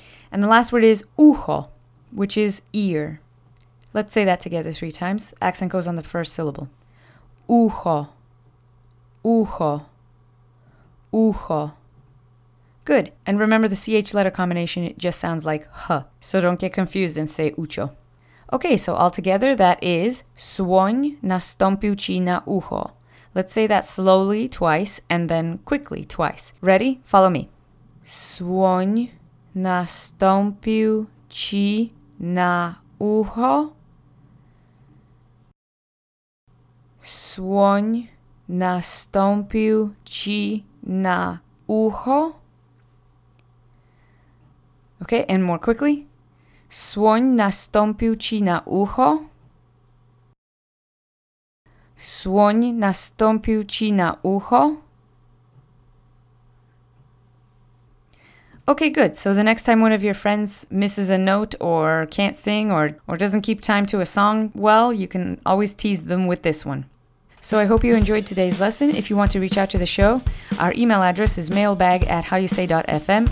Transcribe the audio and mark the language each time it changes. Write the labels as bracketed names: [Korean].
[English] And the last word is ucho, which is ear. Let's say that together three times. Accent goes on the first syllable. Ucho, ucho, ucho. Good. And remember the CH letter combination, it just sounds like H. So don't get confused and say ucho. Okay, so altogether that is [Polish] słoń nastąpił ci na ucho. [English] Let's say that slowly twice and then quickly twice. Ready? Follow me. [Polish] Słoń nastąpił ci na ucho. Słoń nastąpił ci na ucho. [English] Okay, and more quickly. [Polish] Słoń nastąpił ci na ucho. Słoń nastąpił ci na ucho. [English] Okay, good. So the next time one of your friends misses a note or can't sing or doesn't keep time to a song well, you can always tease them with this one. So I hope you enjoyed today's lesson. If you want to reach out to the show, our email address is mailbag@howyousay.fm.